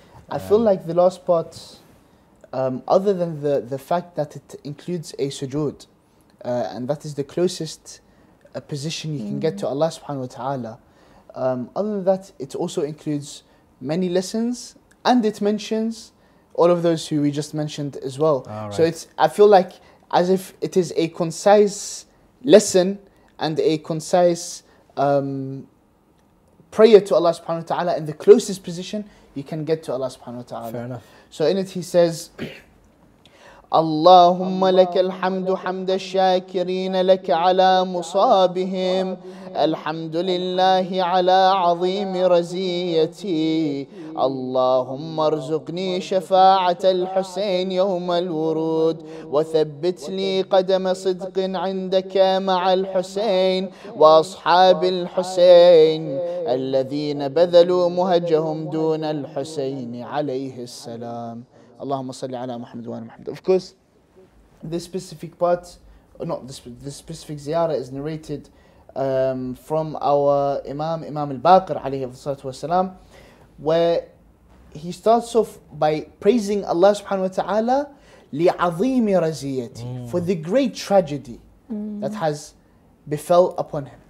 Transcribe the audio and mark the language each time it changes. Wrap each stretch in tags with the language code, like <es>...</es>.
<en>I feel like the last part, other than the fact that it includes a sujood, and that is the closest position you can get to Allah subhanahu wa ta'ala, other than that, it also includes many lessons, and it mentions all of those who we just mentioned as well. So I feel like, as if it is a concise lesson and a concise prayer to Allah subhanahu wa ta'ala in the closest position you can get to Allah subhanahu wa ta'ala. Fair enough. So in it he says,</en> <ar>اللهم لك الحمد حمد الشاكرين لك على مصابهم الحمد لله على عظيم رزيتي اللهم ارزقني شفاعة الحسين يوم الورود وثبت لي قدم صدق عندك مع الحسين وأصحاب الحسين الذين بذلوا مهجهم دون الحسين عليه السلام اللهم صل على محمد وآل محمد.</ar> <en>Of course, this specific part, this specific ziyarah is narrated from our Imam Al-Baqir alayhi wasalam, where he starts off by praising Allah subhanahu wa ta'ala</en> <ar>li'azimi raziyati,</ar> <en>for the great tragedy that has befell upon him.</en>